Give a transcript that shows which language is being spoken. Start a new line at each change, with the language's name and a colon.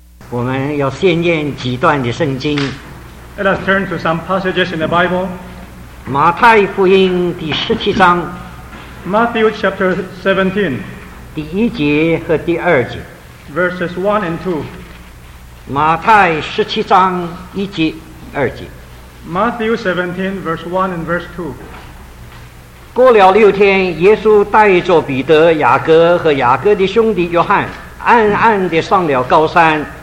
Chinese: 我们要先念几段的圣经。
English: Let us turn to some passages in the Bible.
Chinese: 马太福音第十七章。
English: Matthew chapter 17.
Chinese: 第一节和第二节。
English: Verses 1 and 2.
Chinese: 马太十七章一节二节。
English: Matthew 17, verse 1 and verse 2.
Chinese: 过了六天，耶稣带着彼得、雅各和雅各的兄弟约翰，暗暗地上了高山。